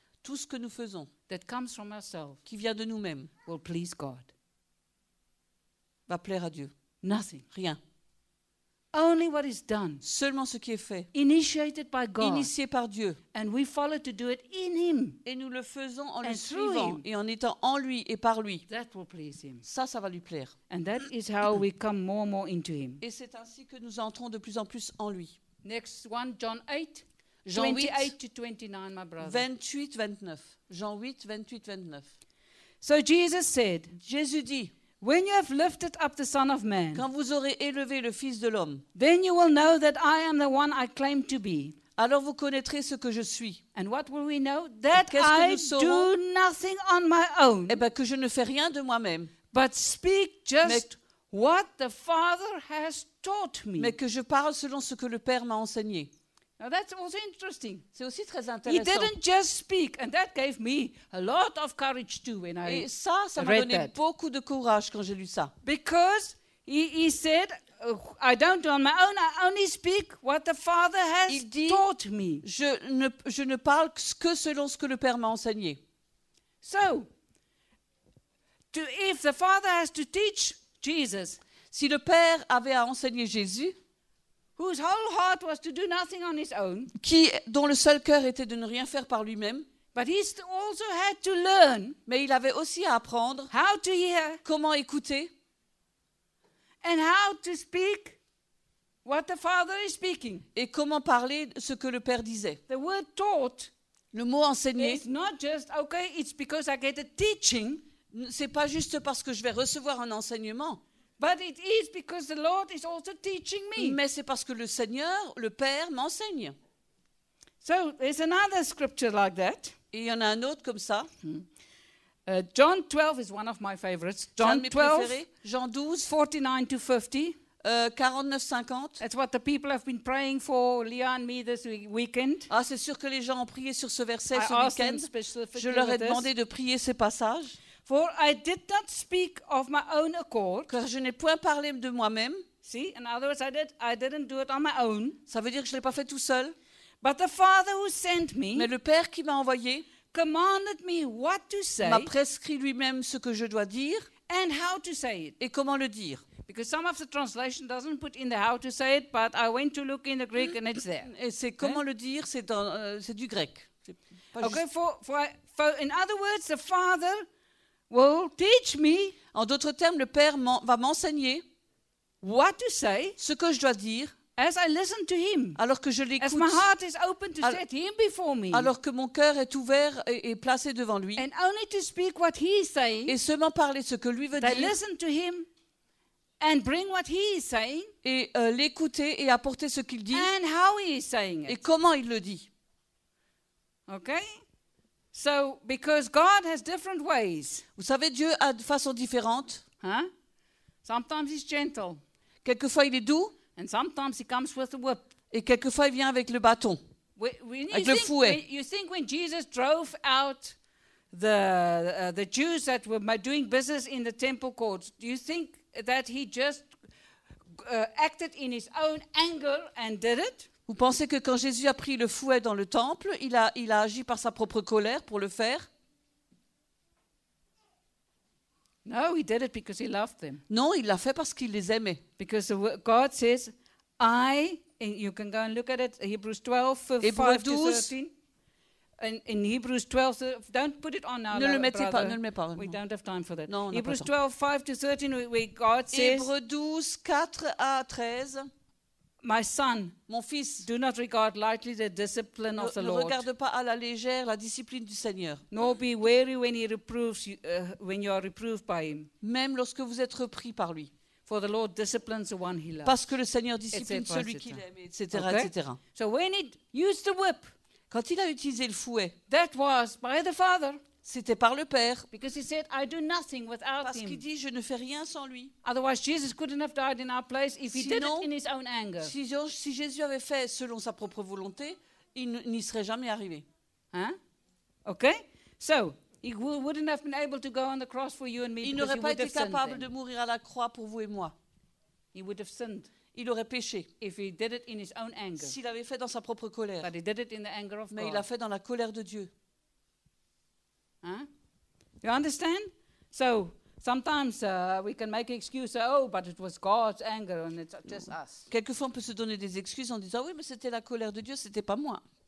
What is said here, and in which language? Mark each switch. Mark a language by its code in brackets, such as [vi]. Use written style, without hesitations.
[fr] tout ce que nous faisons, [en] that comes from ourselves, [fr] qui vient de nous-mêmes, [en] will please God. [fr] Va plaire à Dieu. [en] Nothing, [fr] rien. [en] Only what is done, [fr] seulement ce qui est fait, [en] initiated by God, [fr] initié par Dieu, [en] and we follow to do it in Him, [fr] et nous le faisons en le suivant et en étant en lui et par lui. [en] That will please Him. [fr] Ça va lui plaire. [en] And that is how we come more and more into Him. [fr] Et c'est ainsi que nous entrons de plus en plus en lui. [en] Next one, John 8. [fr] Jean 8, 29, [en] my brother. [fr] 28, 29. Jean 8, 28, 29. [en] So Jesus said, [fr] Jésus dit, [en] when you have lifted up the Son of Man, [fr] quand vous aurez élevé le Fils de l'homme, [en] then you will know that I am the one I claim to be. [fr] Alors vous connaîtrez ce que je suis. [en] And what will we know? That I do nothing on my own. [fr] Eh bien, que je ne fais rien de moi-même. [en] But speak just what the Father has taught me. [fr] Mais que je parle selon ce que le Père m'a enseigné. [en] Now that's also interesting. [fr] C'est aussi très intéressant. [en] He didn't just speak, and that gave me a lot of courage too when I read that. [fr] Et ça m'a donné beaucoup de courage quand j'ai lu ça. [en] Because he said, I don't do on my own. I only speak what the Father has taught me. [fr] Je ne parle que selon ce que le Père m'a enseigné. [en] So, if the Father has to teach Jesus, [fr] si le Père avait à enseigner Jésus, [en] whose whole heart was to do nothing on his own, [fr] qui dont le seul cœur était de ne rien faire par lui-même, [en] but he also had to learn, [fr] mais il avait aussi à apprendre, [en] how to hear, [fr] comment écouter, [en] and how to speak what the Father is speaking, [fr] et comment parler ce que le Père disait. [en] The word taught, [fr] le mot enseigné, [en] is not just okay, it's because I get a teaching, [fr] c'est pas juste parce que je vais recevoir un enseignement. [en] But it is because the Lord is also teaching me. [fr] Mais c'est parce que le Seigneur, le Père, m'enseigne. [en] So there's another scripture like that. [fr] Et il y en a un autre comme ça. [en] John 12 is one of my favorites. John 12, Jean 12, 49 to 50. [fr] 49-50. [en] That's what the people have been praying for Leah and me this weekend. [fr] Ah, c'est sûr que les gens ont prié sur ce verset ce week-end. Je leur ai demandé de prier ces passages. [en] For I did not speak of my own accord. [fr] Car je n'ai point parlé de moi-même. [en] See, in other words, I didn't do it on my own. [fr] Ça veut dire que je l'ai pas fait tout seul. [en] But the Father who sent me. [fr] Mais le Père qui m'a envoyé. [en] Commanded me what to say. [fr] M'a prescrit lui-même ce que je dois dire. [en] And how to say it. [fr] Et comment le dire. [en] Because some of the translation doesn't put in the how to say it, but I went to look in the Greek and it's there. [fr] Et c'est comment le dire, c'est du grec. C'est pas okay, juste. [en] For in other words, the Father. Well, teach me. [fr] En d'autres termes, le Père va m'enseigner [en] what to say, [fr] ce que je dois dire, [en] as I listen to him, [fr] alors que je l'écoute, [en] as my heart is open to set him before me, [fr] alors que mon cœur est ouvert et placé devant lui, [en] and only to speak what he is saying, [fr] et seulement parler ce que lui veut dire, [en] listen to him, and bring what he is saying, [fr] et l'écouter et apporter ce qu'il dit, [en] and how he is saying it, [fr] et comment il le dit. [en] Okay. So, because God has different ways. [fr] Vous savez, Dieu a de façons différentes. [en] Hein? Sometimes he's gentle. [fr] Quelquefois, il est doux. [en] And sometimes he comes with a whip. [fr] Et quelquefois, il vient avec le bâton. Avec le fouet. [en] You think when Jesus drove out the Jews that were doing business in the temple courts, do you think that he just acted in his own anger and did it? [fr] Vous pensez que quand Jésus a pris le fouet dans le temple, il a agi par sa propre colère pour le faire? [en] No, he did it because he loved them. [fr] Non, il l'a fait parce qu'il les aimait. [en] Because God says, you can go and look at it, Hebrews 12, 5 to 13. In Hebrews 12, don't put it on now. [fr] Ne le mettez pas, ne le mettez pas. [en] We don't have time for that. [fr] Non, [en] Hebrews 12, 5 to 13, where God says, [fr] Hébreux 12, 4 à 13, [en] My son, [fr] mon fils, [en] do not regard lightly the discipline of the Lord. [fr] Ne regarde pas à la légère la discipline du Seigneur. [en] Nor be weary when he reproves you, when you are reproved by him. [fr] Même lorsque vous êtes repris par lui. [en] For the Lord disciplines the one he loves. [fr] Parce que le Seigneur discipline celui qu'il aime, etc. [en] So when he used the whip, [fr] quand il a utilisé le fouet, [en] that was by the Father. [fr] C'était par le Père. [en] Because he said, I do nothing without [fr] Parce [en] him. [fr] Qu'il dit, je ne fais rien sans lui. [en] Otherwise, Jesus couldn't have died in our place if [fr] Sinon, [en] he did it in his own anger. [fr] Si Jésus avait fait selon sa propre volonté, il n'y serait jamais arrivé. Hein? Okay? [en] So, he wouldn't have been able to go on the cross for you and me. [fr] Il n'aurait pas été capable de mourir à la croix pour vous et moi. [en] He would have sinned. [fr] Il aurait péché. [en] If he did it in his own anger. [fr] S'il avait fait dans sa propre colère. [en] But he did it in the anger of [fr] Mais [en] God. [fr] Il l'a fait dans la colère de Dieu. [en] Huh? You understand? So sometimes we can make excuses. Oh, but it was God's anger, and it's just us. [fr] Quelquefois, on peut se donner des excuses en disant, oui, mais c'était la colère de Dieu, c'était pas moi.